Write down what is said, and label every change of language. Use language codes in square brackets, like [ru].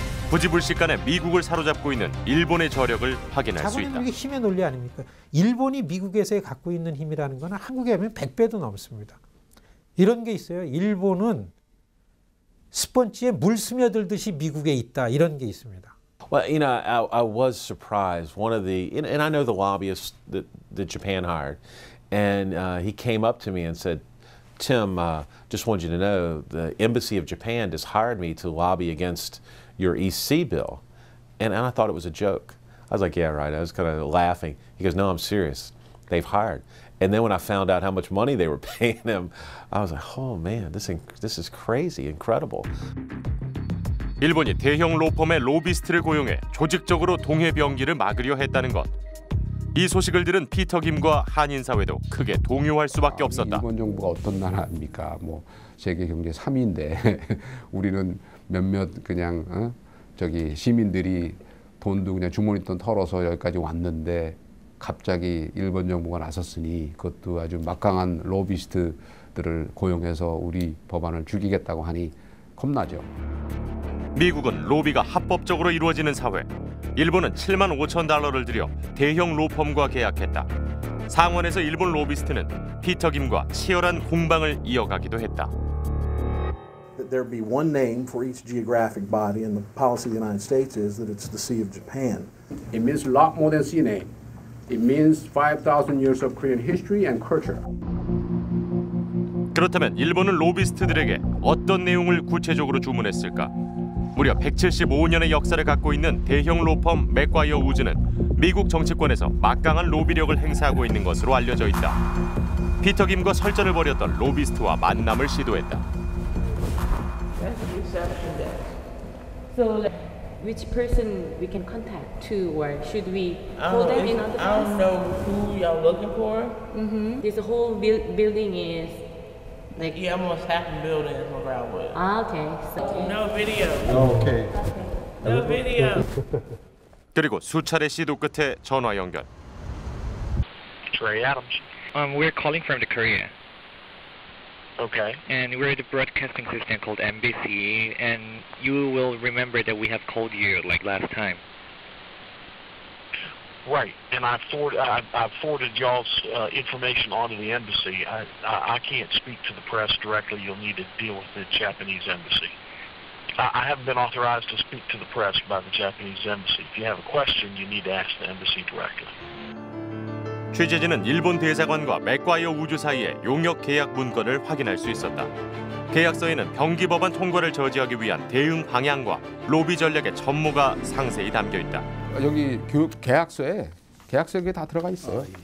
[ko] 부지불식 간에 미국을 사로잡고 있는 일본의 저력을 확인할 수 있다. 자본력이 힘의 논리 아닙니까? 일본이 미국에서 갖고 있는 힘이라는 건 한국에 하면 100배도 넘습니다. 이런 게 있어요. 일본은 스펀지에 물 스며들듯이 미국에 있다. 이런 게 있습니다. [en] Well, you know, I was surprised. One of the, and I know the lobbyist that Japan hired, and he came up to me and said, Tim, just want you to know, the embassy of Japan just hired me to lobby against your EC bill. And I thought it was a joke. I was like, yeah, right. I was kind of laughing. He goes, no, I'm serious. They've hired. And then when I found out how much money they were paying him, I was like, oh, man, this is crazy, incredible. [ko] 일본이 대형 로펌의 로비스트를 고용해 조직적으로 동해 병기를 막으려 했다는 것. 이 소식을 들은 피터 김과 한인 사회도 크게 동요할 수밖에 없었다. 일본 정부가 어떤 나라입니까? 뭐 세계 경제 3위인데 우리는 몇몇 그냥 저기 시민들이 돈도 그냥 주머니 돈 털어서 여기까지 왔는데 갑자기 일본 정부가 나섰으니 그것도 아주 막강한 로비스트들을 고용해서 우리 법안을 죽이겠다고 하니 겁나죠. 미국은 로비가 합법적으로 이루어지는 사회. 일본은 7만 5천 달러를 들여 대형 로펌과 계약했다. 상원에서 일본 로비스트는 피터 김과 치열한 공방을 이어가기도 했다. [en] There be one name for each geographic body in the policy of the United States is that it's the Sea of Japan. It means a lot more than sea name. It means 5,000 years of Korean history and culture. [ko] 그렇다면 일본은 로비스트들에게 어떤 내용을 구체적으로 주문했을까? 무려 175년의 역사를 갖고 있는 대형 로펌 맥과이어 우즈는 미국 정치권에서 막강한 로비력을 행사하고 있는 것으로 알려져 있다. 피터 김과 설전을 벌였던 로비스트와 만남을 시도했다. [en] So which person we can contact to or should we call them in on the phone? I don't know who y'all looking for. Mm-hmm. This whole building is Like, yeah, almost half the building is where I was. Ah, okay. So. No video. Oh, okay. No video. [ko] 그리고 수차례 시도 끝에 전화 연결. [en] Trey Adams. We're calling from the Korea. Okay. And we're at a broadcasting system called NBC, and you will remember that we have called you, like, last time. Right, and I forwarded y'all's information onto the embassy. I can't speak to the press directly. You'll need to deal with the Japanese embassy. I haven't been authorized to speak to the press by the Japanese embassy. If you have a question, you need to ask the embassy directly. [ko] 취재진은 일본 대사관과 맥과이어 우주 사이의 용역 계약 문건을 확인할 수 있었다. 계약서에는 병기 법안 통과를 저지하기 위한 대응 방향과 로비 전략의 전모가 상세히 담겨 있다. 여기 계약서에 다 들어가 있어요.